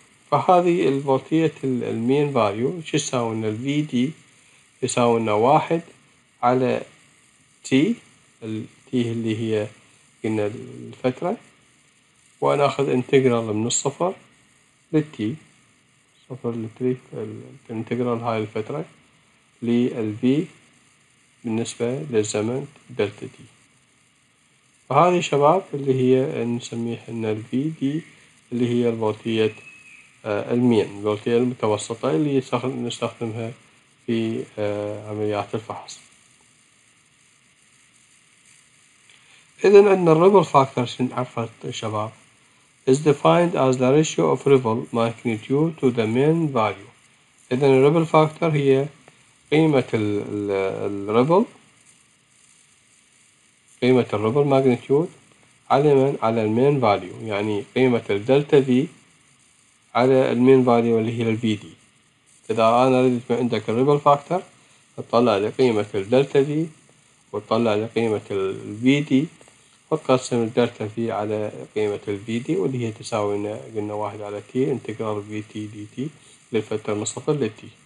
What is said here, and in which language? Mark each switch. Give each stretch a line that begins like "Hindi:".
Arabic: فهذه الفولتية المين فاليو شو يساوي أن الفي دي يساوي أن 1/T، التي اللي هي قلنا الفترة، وناخذ انتجرال من الصفر للتي، صفر للتي الانتجرال هاي الفترة للفي بالنسبة للزمن دلتا تي. فهذه شباب اللي هي نسميه ان الفي دي اللي هي الفولتية المين، الفولتية المتوسطة اللي نستخدمها في عمليات الفحص. اذا عندنا الربل فاكتور شن عرفت شباب
English: is defined as the ratio of ripple magnitude to the mean value.
Arabic: إذن الربل فاكتور هي قيمة الربل، قيمة الربل ماجنتيود على من؟ على المين فاليو، يعني قيمة الدلتا في على المين فاليو اللي هي الفي دي. إذا أنا أريد ما عندك الربل فاكتور أطلع لقيمة الدلتا في وأطلع لقيمة الفي دي وقسم الدلتا في على قيمة ال V D واللي هي تساوي قلنا 1/T انتجرال V T D T للفترة من صفر لل T.